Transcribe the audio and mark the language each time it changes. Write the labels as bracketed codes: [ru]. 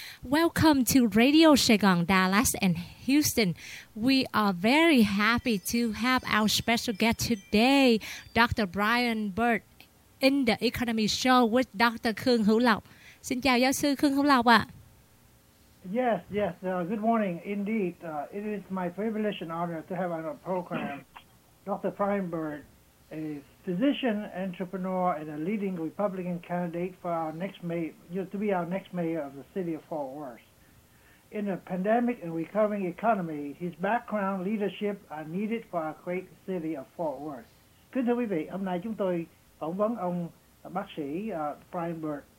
[en] Welcome to Radio Saigon, Dallas and Houston. We are very happy to have our special guest today, Dr. Brian Bird. In the Economy Show with Dr. Khương Hữu Lộc. [vi] Xin chào giáo sư Khương Hữu Lộc ạ. [en] Yes, yes. Good morning. Indeed, it is my privilege and honor to have on our program Dr. Brian Bird, a physician, entrepreneur, and a leading Republican candidate for our next mayor, to be our next mayor of the city of Fort Worth. In a pandemic and recovering economy, his background leadership are needed for our great city of Fort Worth. [vi] Kính thưa quý vị, hôm nay chúng tôi phỏng vấn ông bác sĩ Brian Bird.